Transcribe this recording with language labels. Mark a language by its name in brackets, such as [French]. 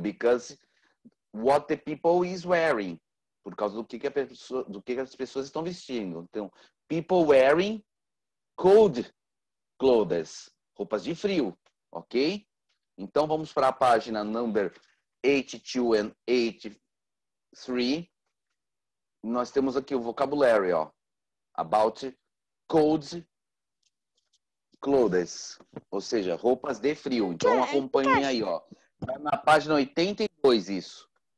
[English] Because what the people is wearing. [Portuguese] Por causa do que as pessoas estão vestindo. [English] Então, people wearing cold clothes. [Portuguese] Roupas de frio, ok? Então, vamos para a página number 82 and 83. Nós temos aqui o vocabulary, ó. [English] About cold clothes. [Portuguese] Ou seja, roupas de frio. Então, acompanhem aí, ó. Tá na página 82 isso.